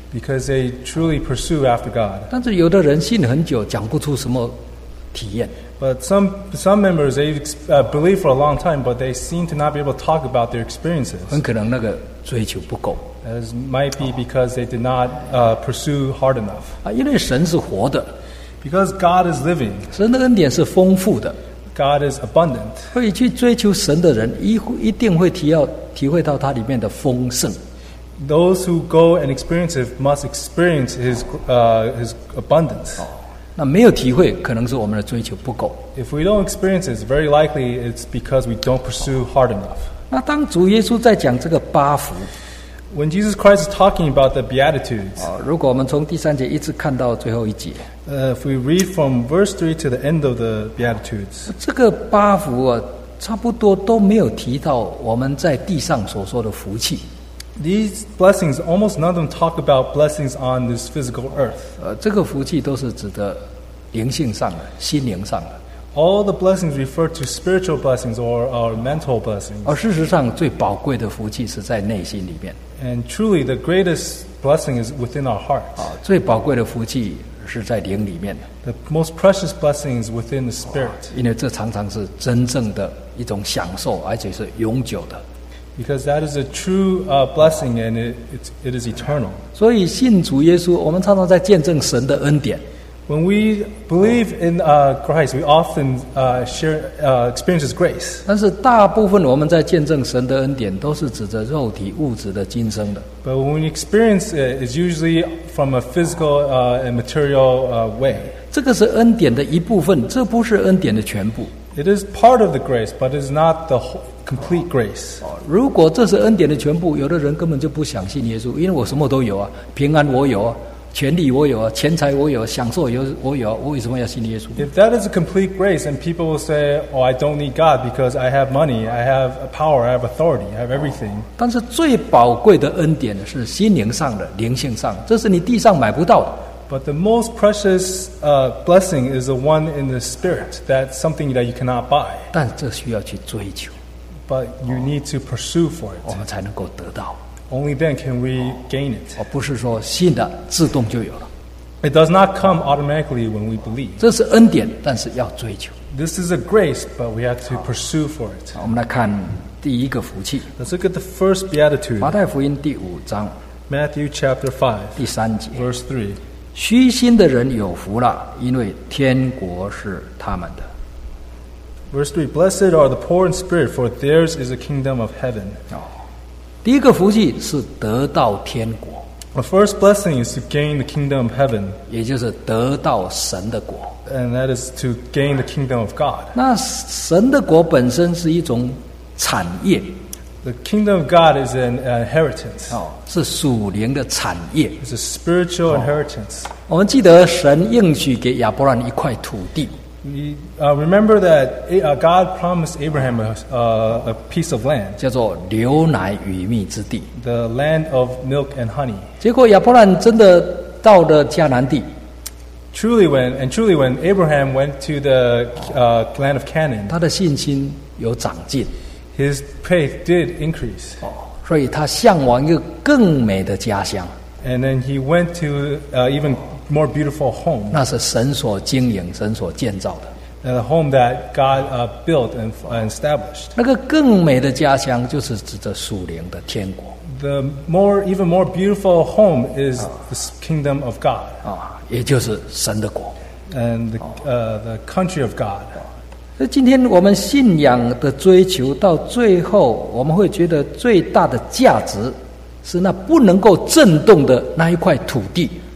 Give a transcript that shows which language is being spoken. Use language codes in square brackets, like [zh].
[en] Because they truly pursue after God. [zh] 但是有的人信很久，讲不出什么体验。 [en] But some members they believe for a long time, but they seem to not be able to talk about their experiences. [zh] 很可能那个追求不够。 [en] It might be because they did not pursue hard enough. [zh] 啊，因为神是活的。 [en] Because God is living. [zh] 神的恩典是丰富的。 [en] God is abundant. [zh] 会去追求神的人，一定会体会到它里面的丰盛。 [en] Those who go and experience it must experience his abundance. [zh] 那没有体会，可能是我们的追求不够。 [en] If we don't experience it, very likely it's because we don't pursue hard enough. [zh] 那当主耶稣在讲这个八福。 [en] When Jesus Christ is talking about the Beatitudes, [zh] 如果我们从第三节一直看到最后一节。 [en] If we read from verse 3 to the end of the Beatitudes, [zh] 这个八福啊，差不多都没有提到我们在地上所说的福气。 [en] These blessings, almost none of them talk about blessings on this physical earth. [zh] 这个福气都是指的灵性上的，心灵上的。 [en] All the blessings refer to spiritual blessings or our mental blessings. [zh] 而事实上，最宝贵的福气是在内心里面。 [en] And truly, the greatest blessing is within our hearts. [zh] 最宝贵的福气是在灵里面的。 [en] The most precious blessing is within the spirit. [zh] 因为这常常是真正的一种享受，而且是永久的。 [en] Because that is a true blessing and it is eternal. [zh] 所以信主耶稣，我们常常在见证神的恩典。 [en] When we believe in Christ, we often experience His grace. [zh] 但是大部分我们在见证神的恩典，都是指着肉体物质的今生的。 [en] But when we experience it, it's usually from a physical and material way. [zh] 这个是恩典的一部分，这不是恩典的全部。 [en] It is part of the grace, but it's not the whole. Complete grace. [zh] 如果这是恩典的全部，有的人根本就不相信耶稣，因为我什么都有啊，平安我有啊，权力我有啊，钱财我有啊，享受有我有啊，我为什么要信耶稣？ [en] If that is a complete grace, and people will say, "Oh, I don't need God because I have money, I have power, I have authority, I have everything." [zh] 但是最宝贵的恩典是心灵上的、灵性上，这是你地上买不到的。 [en] But the most precious blessing is the one in the spirit. That's something that you cannot buy. [zh] 但这需要去追求。 [en] But you need to pursue for it. [zh] 我们才能够得到。 [en] Only then can we gain it. [zh] 不是说信的自动就有了。 [en] It does not come automatically when we believe. [zh] 这是恩典，但是要追求。 [en] This is a grace, but we have to pursue for it. [zh] 我们来看第一个福气。 [en] Let's look at the first beatitude. [zh] 马太福音第五章。 [en] Matthew chapter 5. [zh] 第三节。 [en] Verse 3. [zh] 虚心的人有福了，因为天国是他们的。 [en] Verse 3, blessed are the poor in spirit, for theirs is the kingdom of heaven. [zh] 第一个福气是得到天国。 [en] The first blessing is to gain the kingdom of heaven. [zh] 也就是得到神的国。 [en] And that is to gain the kingdom of God. [zh] 那神的国本身是一种产业。 [en] The kingdom of God is an inheritance. [zh] 是属灵的产业。 [en] It's a spiritual inheritance. [zh] 我们记得神应许给亚伯兰一块土地。 [en] Remember that God promised Abraham a piece of land, [zh] 叫做牛奶与蜜之地 [en] the land of milk and honey. [zh] 结果亚伯兰真的到了迦南地 [en] Truly when Abraham went to the land of Canaan, [zh] 他的信心有长进 [en] His faith did increase. [zh] 所以他向往一个更美的家乡 [en] And then he went to evenMore beautiful home. [zh] 那是神所经营、神所建造的。 [en] And a home that God built and established. [zh] 那个更美的家乡就是指着属灵的天国。 [en] The more, even more beautiful home is the kingdom of God. [zh] 也就是神的国。 [en] And the country of God. [zh] 那今天我们信仰的追求到最后，我们会觉得最大的价值是那不能够震动的那一块土地。